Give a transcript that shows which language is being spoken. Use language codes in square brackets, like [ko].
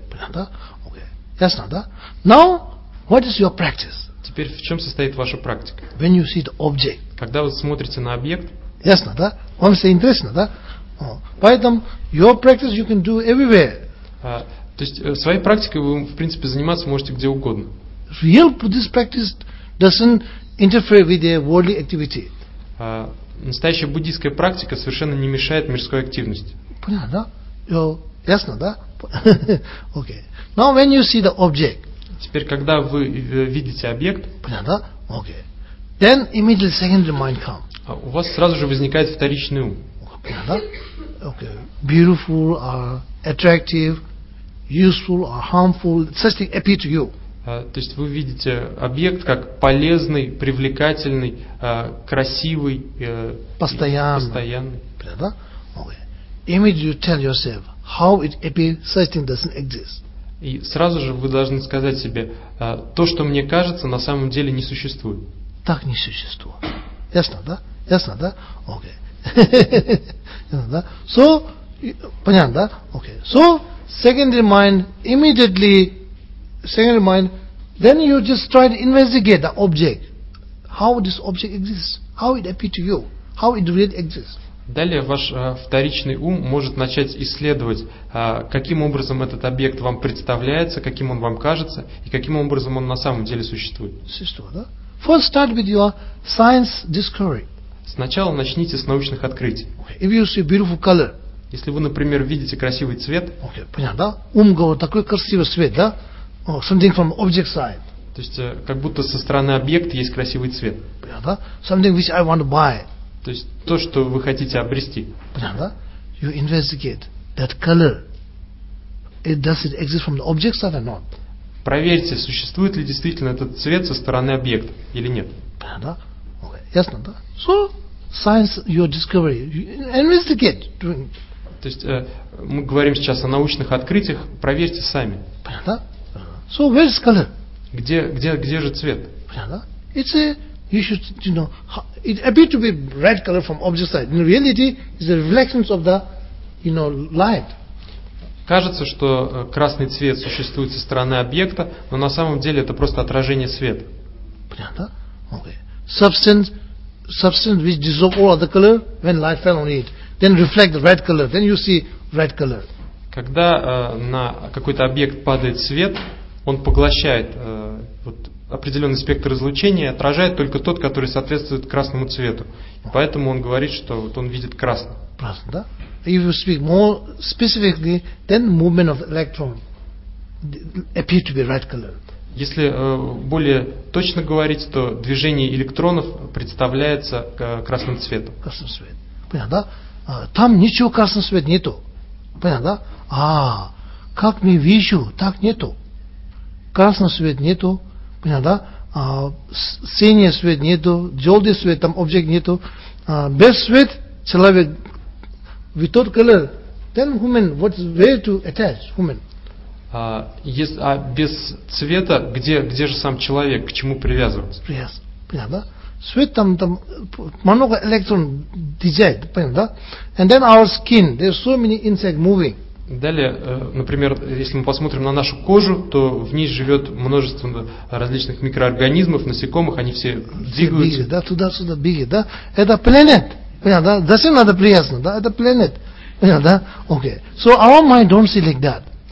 [ru] Понятно, да? [en] Okay. [ru] Ясно, да? [en] Now, what is your practice? [ru] Теперь в чем состоит ваша практика? [en] When you see the object. [ru] Когда вы смотрите на объект. Ясно, да? Вам все интересно, да? Поэтому [en] your practice you can do everywhere. [ru] То есть своей практикой вы в принципе заниматься можете где угодно. [en] Real Buddhist practice doesn't interfere with the worldly activity. [ru] Настоящая буддийская практика совершенно не мешает мирской активности. Понятно, да? Ясно, да? Okay. [en] Now when you see the object. [ru] Теперь, когда вы видите объект, понятно? [en] Okay. Then immediately secondary mind come. [ru] У вас сразу же возникает вторичный ум. Понятно? [en] Okay. Beautiful or attractive, useful or harmful, such thing appear to you. [ru] То есть вы видите объект как полезный, привлекательный, красивый, постоянный. Понятно? Okay. [en] Immediately you tell yourself how it appears, such thing doesn't exist. [ru] И сразу же вы должны сказать себе, то, что мне кажется, на самом деле не существует. Так не существует. Ясно, да? Ясно, да? Окей. Ясно, да? So, понятно, да? Окей. [en] So, secondary mind, immediately, secondary mind, then you just try to investigate the object. How this object exists? How it appears to you? How it really exists? [ru] Далее ваш вторичный ум может начать исследовать, каким образом этот объект вам представляется, каким он вам кажется и каким образом он на самом деле существует. Существует, да? [en] First start with your science discovery. [ru] Сначала начните с научных открытий. [en] Okay. If you see beautiful color. [ru] Если вы, например, видите красивый цвет. Okay, понятно, да? Ум говорит, такой красивый цвет, да? [en] Oh, something from object side. [ru] То есть, как будто со стороны объекта есть красивый цвет. Понятно, да? [en] Something which I want to buy. [ru] То есть то, что вы хотите обрести. Понятно, да? [en] You investigate that color. It, does it exist from the object side or not? [ru] Проверьте, существует ли действительно этот цвет со стороны объекта или нет. [en] Да. Okay. [ru] Ясно, да? [en] So, science your discovery. Investigate. [ru] То есть мы говорим сейчас о научных открытиях. Проверьте сами. Да? [en] So, where is color? [ru] Где же цвет? Да? [en] It's a, you should, you know, it appears to be red color from object side. In reality, it's a reflection of the, you know, light. [ru] Кажется, что красный цвет существует со стороны объекта, но на самом деле это просто отражение света. Понятно? Okay. [en] Substance which dissolve all other color when light fell on it, then reflect the red color, then you see red color. [ru] Когда на какой-то объект падает свет, он поглощает вот, определенный спектр излучения, отражает только тот, который соответствует красному цвету. И поэтому он говорит, что вот он видит красный. Красный, да? If you speak more specifically, then movement of electron appear to be red color. Если более точно говорить, то движение электронов представляется красным цветом. Красным цветом. Понятно, да? Там ничего красного света нету. Понятно, да? А как мы вижу, так нету. Красного света нету. Понятно, да? Синий свет нету. Желтый свет, там объект нету. Без свет человек. [en] Without color, then human, what's where to attach human? [ru] А без цвета, где же сам человек, к чему привязываться? Привяз, понятно, да? Свет там много электрон дизайн, понятно, да? [en] And then our skin, there's so many insects moving. [ru] Далее, например, если мы посмотрим на нашу кожу, то в ней живет множество различных микроорганизмов, насекомых, они все двигаются. Бегают, да, туда-сюда бегают, да? Это планет. Понятно, да? Зачем надо приятно, да? Это планет. Понятно, да? Okay. [en] So our mind don't see like that.